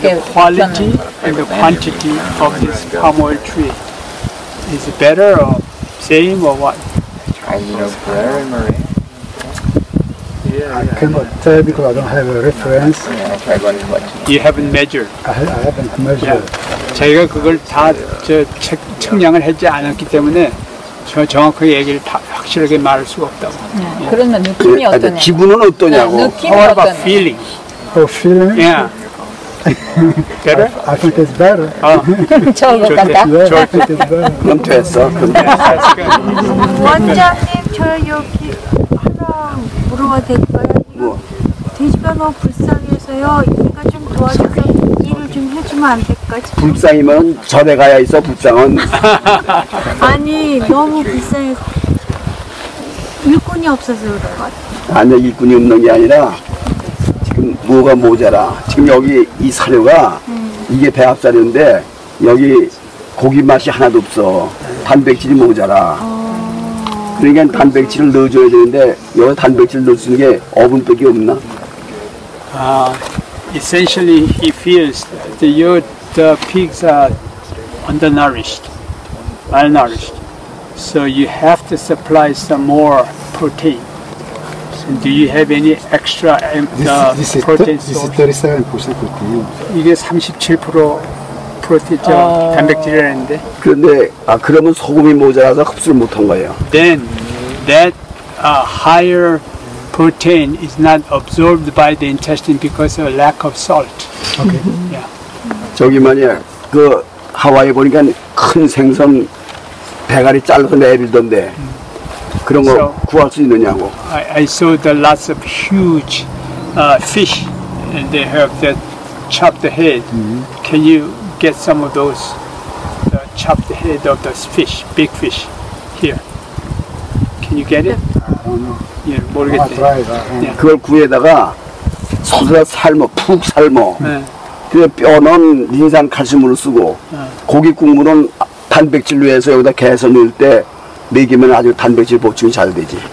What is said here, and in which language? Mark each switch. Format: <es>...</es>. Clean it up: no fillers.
<en>the quality and the quantity of this palm oil tree is it better or same or what? I cannot tell because I don't have a reference. You haven't measured. I haven't measured. Yeah.</en> <ko>자기가 그걸 다 측량을 했지 않았기 때문에 정확하게 얘기를 다 확실하게 말할 수가 없다고. 그러면 느낌이 어떠냐? 기분은 어떠냐고.</ko> <en>How about feeling? Oh, feeling? Yeah. Better? I think it's better.</en> <ko>좋을 것 같다? 좋을 것 같다. 그럼 됐어. 원장님, 저 여기 하나 물어봐도 될까요? 이거 돼지가 너무 불쌍해서요. 얘가 좀 도와주세요. 좀 해주면 안 될까? 불쌍이면 전에 가야 있어, 불쌍은. 아니, 너무 불쌍해서. 일꾼이 없어서 그런 것 같아. 아니, 일꾼이 없는 게 아니라 지금 뭐가 모자라. 지금 여기 이 사료가 이게 배합 사료인데 여기 고기 맛이 하나도 없어. 단백질이 모자라. 그러니까 그렇지. 단백질을 넣어줘야 되는데 여기 단백질을 넣을 수 있는 게 어분밖에 없나? 아.</ko> <en>Essentially, he feels that the pigs are undernourished, malnourished. So you have to supply some more protein. Do you have any extra protein? This is 37% protein.</en> <ko>이게 37% 프로틴 단백질이라는데. 그런데 그러면 소금이 모자라서 흡수를 못한 거예요.</ko> <en>Then that higher protein is not absorbed by the intestine because of lack of salt. Okay. Yeah.</en> <ko>저기 만약 그 하와이 보니까 큰 생선 배갈이 잘라서 내밀던데 그런 거 so, 구할 수 있느냐고.</ko> <en>I saw the lots of huge fish and they have that chopped head. Mm-hmm. Can you get some of those the chopped head of those fish, big fish here? Can you get it? I don't know. Yeah,</en> <ko>모르겠대.</ko> <en>I'll try it. Yeah.</en> <ko>그걸 구에다가 소스에 삶어, 푹 삶어.</ko> <en>Yeah.</en> <ko>그 뼈는 린산 칼슘으로 쓰고 고기 국물은 단백질로 해서 여기다 개서 넣을 때 먹이면 아주 단백질 보충이 잘 되지.</ko>